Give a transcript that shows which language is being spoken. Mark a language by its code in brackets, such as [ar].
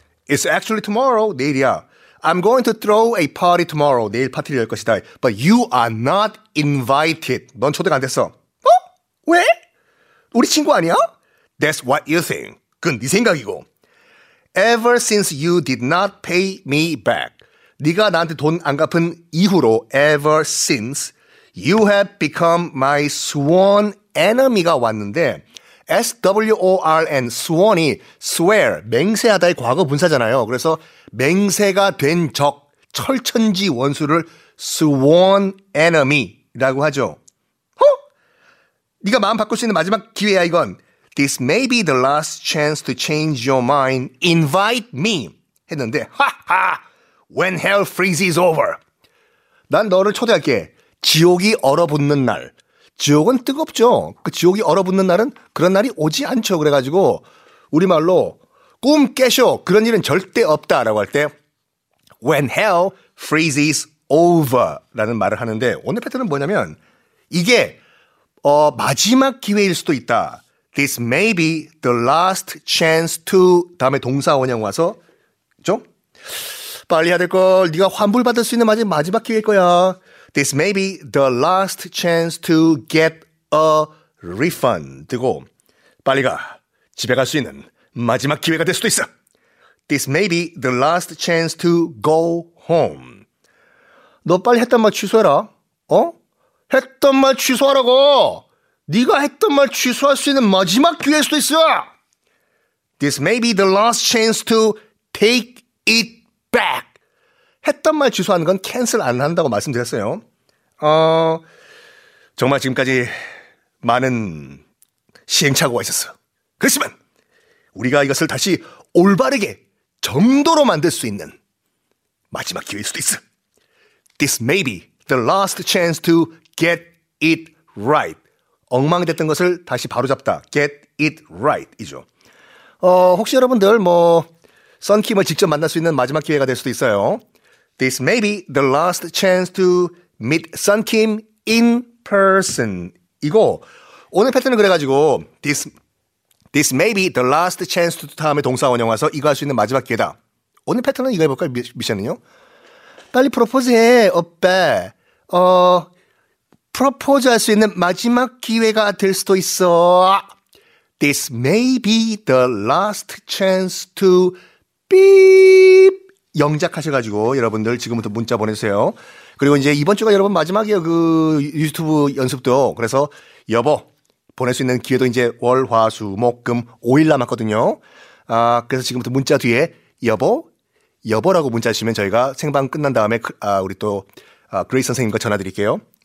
[en] It's actually tomorrow, [ko] 내일이야. [en] I'm going to throw a party tomorrow. [ko] 내일 파티를 열 것이다. [en] But you are not invited. [ko] 넌 초대가 안 됐어. 어? 왜? 우리 친구 아니야? [en] That's what you think. [ko] 그건 네 생각이고. [en] Ever since you did not pay me back. [ko] 네가 나한테 돈 안 갚은 이후로 [en] ever since you have become my sworn enemy [ko] 가 왔는데 S-W-O-R-N, sworn이 swear, 맹세하다의 과거 분사잖아요. 그래서 맹세가 된 적, 철천지 원수를 sworn enemy 라고 하죠. 허? 네가 마음 바꿀 수 있는 마지막 기회야 이건. [en] This may be the last chance to change your mind. Invite me. [ko] 했는데 하하. [en] When hell freezes over. [ko] 난 너를 초대할게. 지옥이 얼어붙는 날. 지옥은 뜨겁죠. 그 지옥이 얼어붙는 날은 그런 날이 오지 않죠. 그래가지고 우리말로 꿈 깨셔. 그런 일은 절대 없다라고 할 때 [en] When hell freezes over [ko] 라는 말을 하는데 오늘 패턴은 뭐냐면 이게 마지막 기회일 수도 있다. [en] This may be the last chance to [ko] 다음에 동사 원형 와서 좀 빨리 해야 될 걸. 네가 환불받을 수 있는 마지막 기회일 거야. [en] This may be the last chance to get a refund고 [ko] 빨리 가. 집에 갈 수 있는 마지막 기회가 될 수도 있어. [en] This may be the last chance to go home. [ko] 너 빨리 했던 말 취소해라. 어? 했던 말 취소하라고. 네가 했던 말 취소할 수 있는 마지막 기회일 수도 있어. [en] This may be the last chance to take it back. [ko] 했던 말 취소하는 건 cancel 안 한다고 말씀드렸어요. 정말 지금까지 많은 시행착오가 있었어. 그렇지만 우리가 이것을 다시 올바르게 정도로 만들 수 있는 마지막 기회일 수도 있어. [en] This may be the last chance to get it right. [ko] 엉망이 됐던 것을 다시 바로잡다. [en] Get it right이죠. [ko] 혹시 여러분들 뭐 썬킴을 직접 만날 수 있는 마지막 기회가 될 수도 있어요. [en] This may be the last chance to meet Sun Kim in person. [ko] 이거 오늘 패턴은 그래가지고 [en] This may be the last chance to [ko] 다음에 동사 원형 와서 이거 할 수 있는 마지막 기회다. 오늘 패턴은 이거 해볼까요? 미션은요? 빨리 프로포즈해, 오빠. 프로포즈 할 수 있는 마지막 기회가 될 수도 있어. [en] This may be the last chance to beep. [ko] 영작하셔가지고 여러분들 지금부터 문자 보내세요. 그리고 이제 이번 주가 여러분 마지막이에요. 그 유튜브 연습도. 그래서 여보 보낼 수 있는 기회도 이제 월, 화, 수, 목, 금 5일 남았거든요. 아 그래서 지금부터 문자 뒤에 여보, 여보라고 문자 주시면 저희가 생방 끝난 다음에 우리 또 그레이 선생님과 전화드릴게요.